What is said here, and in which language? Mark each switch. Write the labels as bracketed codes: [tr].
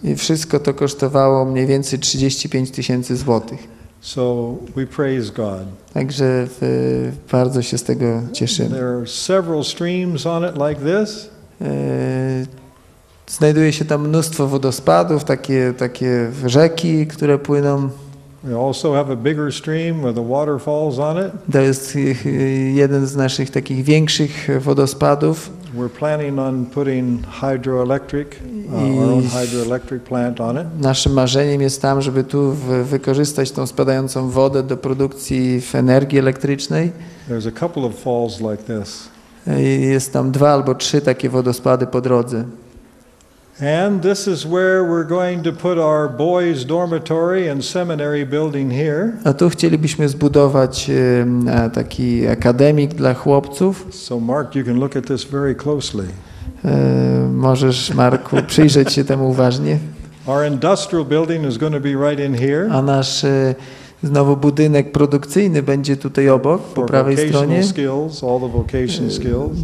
[pl] I wszystko to kosztowało mniej więcej 35 tysięcy złotych. [en] So we praise God. [pl] Także bardzo się z tego cieszymy. [en] There are several streams on it like this. [pl] Znajduje się tam mnóstwo wodospadów, takie rzeki, które płyną. [en] We also have a bigger stream with the waterfalls on it. [pl] To jest jeden z naszych takich większych wodospadów. [en] We're planning on putting hydroelectric, our own hydroelectric plant on it. [pl] Naszym marzeniem jest tam, żeby tu wykorzystać tą spadającą wodę do produkcji energii elektrycznej. [en] There's a couple of falls like this. [pl] Jest tam dwa albo trzy takie wodospady po drodze. [en] And this is where we're going to put our boys' dormitory and seminary building here. [pl] A tu chcielibyśmy zbudować taki akademik dla chłopców. [en] So Mark, you can look at this very closely. [pl] Możesz, Marku, przyjrzeć się temu uważnie. [en] Our industrial building is going to be right in here. [pl] A nasz znowu budynek produkcyjny będzie tutaj obok, po prawej stronie. [en] Skills, all the vocational skills.